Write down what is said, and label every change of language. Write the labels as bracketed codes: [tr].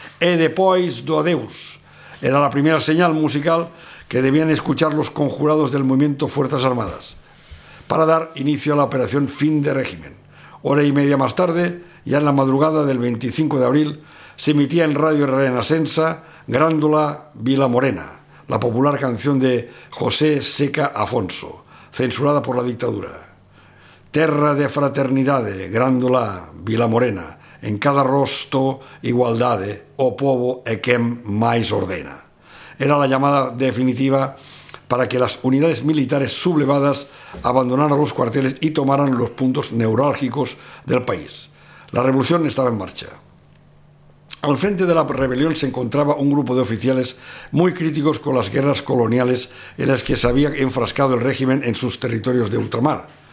[es] E depois do adeus. Era la primera señal musical que debían escuchar los conjurados del movimiento Fuerzas Armadas para dar inicio a la operación Fin de Régimen. Hora y media más tarde, ya en la madrugada del 25 de abril, se emitía en Radio Renascença Grándola Vila Morena, la popular canción de José Seca Afonso, censurada por la dictadura. [pt] Terra de fraternidade, Grándola Vila Morena, [es] en cada rostro [pt] igualdade, o povo é quem mais ordena. [es] Era la llamada definitiva para que las unidades militares sublevadas abandonaran los cuarteles y tomaran los puntos neurálgicos del país. La revolución estaba en marcha. Al frente de la rebelión se encontraba un grupo de oficiales muy críticos con las guerras coloniales en las que se había enfrascado el régimen en sus territorios de ultramar.